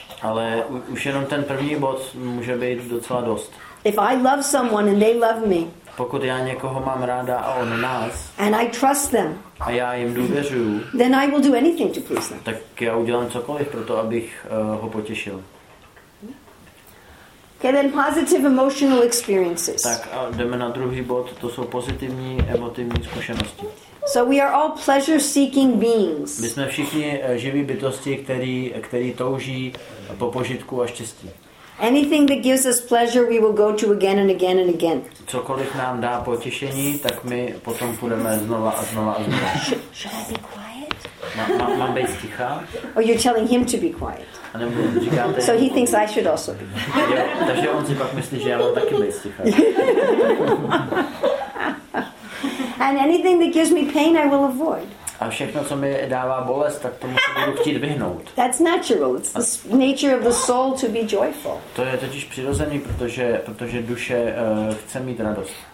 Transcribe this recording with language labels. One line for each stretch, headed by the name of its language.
Czech: Ale už jenom ten první bod může být docela dost.
English: If I love someone and they love me.
Czech: Pokud já někoho mám ráda a on nás.
English: And I trust them.
Czech: A já jim důvěřuju.
English: Then I will do anything to please them.
Czech: Tak já udělám cokoliv pro to, abych ho potěšil.
English: Okay, then positive emotional experiences.
Czech: Tak a jdeme na druhý bod, to jsou pozitivní emotivní zkušenosti.
English: So we are all pleasure seeking beings.
Czech: My jsme všichni živí bytosti, který touží po požitku a štěstí.
English: Anything that gives us pleasure, we will go to again and again and again.
Czech: Cokoliv nám dá potěšení, tak my potom půjdeme znova a znova a znova. Mám být ticha?
English: Or you're telling him to be quiet.
Czech: A nebo říkáte,
English: so he thinks I should also be quiet.
Czech: Jo, takže on si pak myslí, že já mám taky být ticha.
English: And anything that gives me pain, I will avoid.
Czech: A všechno, co mi dává bolest, tak tomu se budu chtít vyhnout.
English: That's natural. It's the nature of the soul to be joyful.
Czech: To je totiž přirozený, protože duše chce mít radost.